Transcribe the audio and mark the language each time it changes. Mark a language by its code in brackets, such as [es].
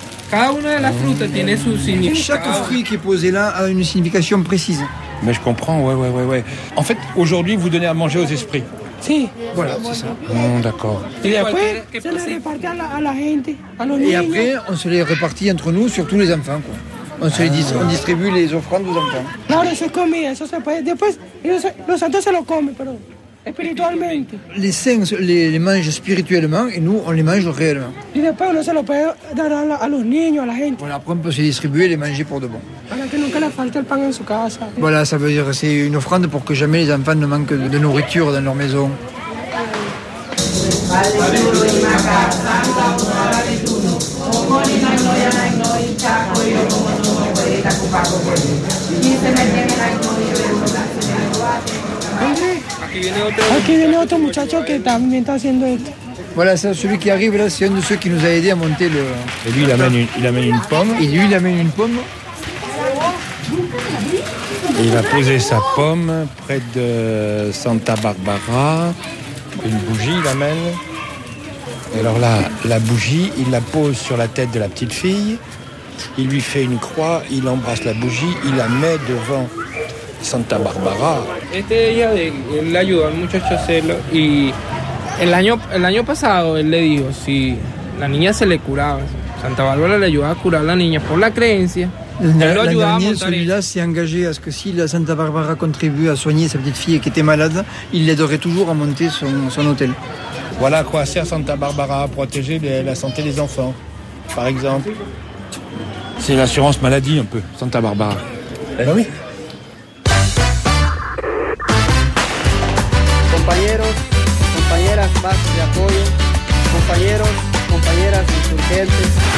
[fr] Chaque fruit qui est posé là a une signification précise. Mais je comprends, ouais. En fait, aujourd'hui, vous donnez à manger aux esprits. Si. Voilà, c'est ça. D'accord. Et après, se les répartit à la gente, à nos niños. Et après, on se les répartit entre nous sur tous les enfants, quoi. On distribue les offrandes aux enfants. [es] Claro, eso es comida, eso se puede. Después, los santos se lo comen, pero espiritualmente. [fr] Les saints les mangent spirituellement et nous, on les mange réellement. [es] Y después uno se lo puede dar a los niños, a la gente. [fr] Voilà, après, on peut se distribuer et les manger pour de bon. Voilà, ça veut dire que c'est une offrande pour que jamais les enfants ne manquent de nourriture dans leur maison. [es] Aquí viene otro muchacho que también está haciendo esto. [fr] Voilà, c'est celui qui arrive là, c'est un de ceux qui nous a aidé à monter le. Et lui, il amène une pomme. Et lui, il amène une pomme. Et il va poser sa pomme près de Santa Barbara. Une bougie, il amène. Et alors là, la bougie, il la pose sur la tête de la petite fille. Il lui fait une croix, il embrasse la bougie, il la met devant Santa Barbara. Elle aide le muchacho a faire ça. Et l'an passé, il lui dit [es] si la niña se le curaba. Santa Barbara le aidait à curer la niña pour la creencia. [fr] L'année, celui-là s'est engagé à ce que si la Santa Barbara contribue à soigner sa petite fille qui était malade, il l'aiderait toujours à monter son hôtel. Voilà à quoi sert Santa Barbara, à protéger la santé des enfants, par exemple. C'est l'assurance maladie un peu, Santa Barbara. Eh ben oui. [es] Compañeros, compañeras, bases de apoyo. Compañeros, compañeras, insurgentes.